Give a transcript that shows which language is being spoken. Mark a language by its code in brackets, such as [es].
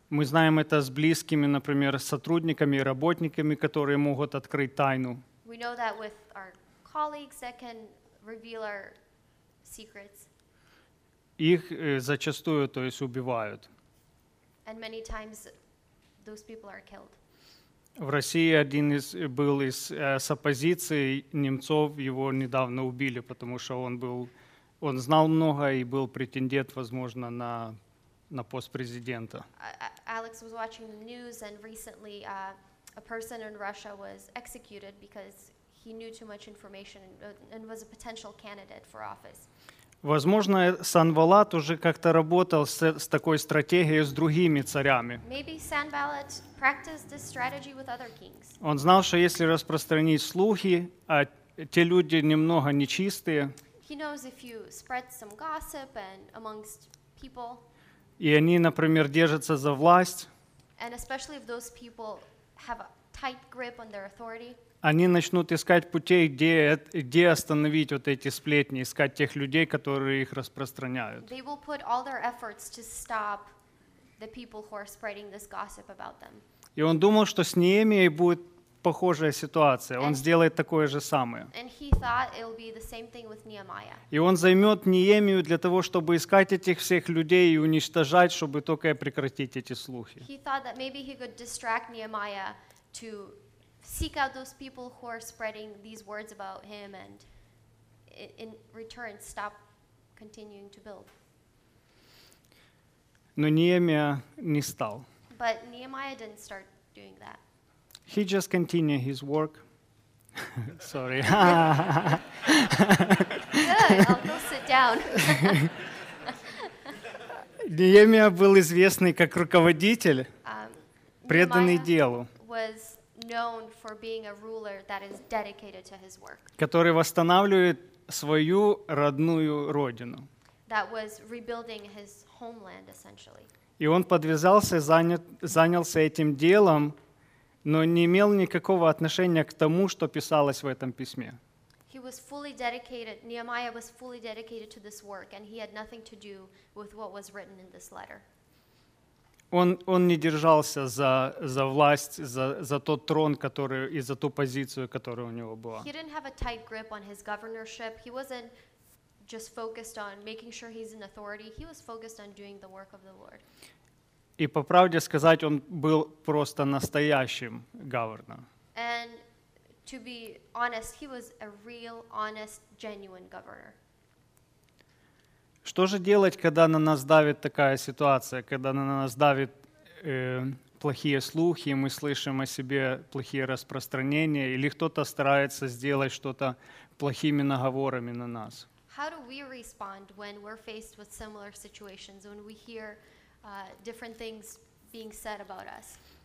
[ru] мы знаем это с близкими, например, сотрудниками и работниками, которые могут открыть тайну. [en] We know that with our colleagues that can reveal our secrets. [ru] Их зачастую, то есть убивают. [en] And many times those people are killed. [ru] В России один из был из с оппозиции Немцов, его недавно убили, потому что он был, он знал много и был претендент, возможно, на пост президента. [en] Alex was watching the news and recently a person in Russia was executed because he knew too much information and was a potential candidate for office. [ru] Возможно, Санвалат уже как-то работал с такой стратегией с другими царями. [en] Maybe Sanballat practiced this strategy with other kings. [ru] Он знал, что если распространить слухи, а те люди немного нечистые, [en] he knows if you spread some gossip and amongst people, [ru] и они, например, держатся за власть, [en] and especially if those people have a tight grip on their authority, [ru] они начнут искать путей, где остановить вот эти сплетни, искать тех людей, которые их распространяют. [en] They will put all their efforts to stop the people who are spreading this gossip about them. [ru] И он думал, что с Неемией будет похожая ситуация. Он сделает такое же самое. [en] And he thought it will be the same thing with Nehemiah. [ru] И он займет Неемию для того, чтобы искать этих всех людей и уничтожать, чтобы только прекратить эти слухи. [en] He thought that maybe he could distract Nehemiah to seek out those people who are spreading these words about him and in return stop continuing to build. [ru] Но Неемия не стал. [en] But Nehemiah didn't start doing that. He just continued his work. Sorry. Good, I'll go sit down. [ru] Неемия был известный как руководитель, преданный делу. [en] Was known for being a ruler that is dedicated to his work. [ru] Который восстанавливает свою родную родину. [en] That was rebuilding his homeland, essentially. [ru] И он подвязался, занялся этим делом, но не имел никакого отношения к тому, что писалось в этом письме. [en] He was fully dedicated, Nehemiah was fully dedicated to this work, and he had nothing to do with what was written in this letter. [ru] Он не держался за власть, за тот трон, который, и за ту позицию, которая у него была. [en] He didn't have a tight grip on his governorship. He wasn't just focused on making sure he's in authority. He was focused on doing the work of the Lord. [ru] И по правде сказать, он был просто настоящим governor. [en] And to be honest, he was a real, honest, genuine governor. [ru] Что же делать, когда на нас давит такая ситуация, когда на нас давит плохие слухи, и мы слышим о себе плохие распространения, или кто-то старается сделать что-то плохими наговорами на нас? [en] How do we respond when we're faced with similar situations, when we hear different things being said about us?